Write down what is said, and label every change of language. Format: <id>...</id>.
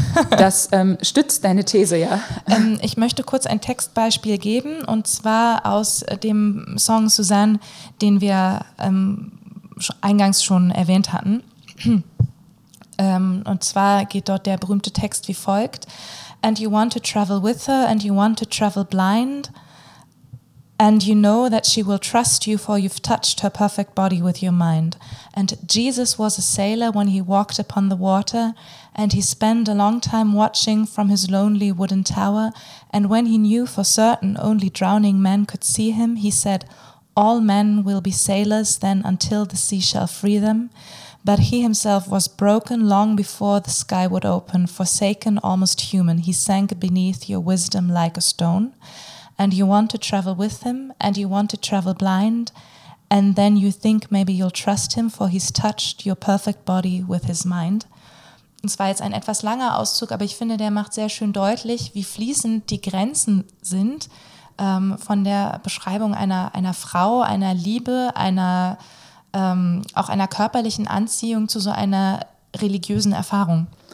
<de>Das stützt deine These, ja. Ich möchte kurz ein Textbeispiel geben, und zwar aus dem Song Suzanne, den wir eingangs schon erwähnt hatten. Und zwar geht dort der berühmte Text wie folgt.</de> <en>And you want to travel with her, and you want to travel blind, and you know that she will trust you, for you've touched her perfect body with your mind. And Jesus was a sailor when he walked upon the water, and he spent a long time watching from his lonely wooden tower, and when he knew for certain only drowning men could see him, he said, all men will be sailors then until the sea shall free them. But he himself was broken long before the sky would open, forsaken, almost human. He sank beneath your wisdom like a stone. And you want to travel with him, and you want to travel blind. And then you think maybe you'll trust him, for he's touched your perfect body with his mind.</en> <de>Es war jetzt ein etwas langer Auszug, aber ich finde, der macht sehr schön deutlich, wie fließend die Grenzen sind, von der Beschreibung einer Frau, einer Liebe, auch einer körperlichen Anziehung zu so einer religiösen Erfahrung.</de>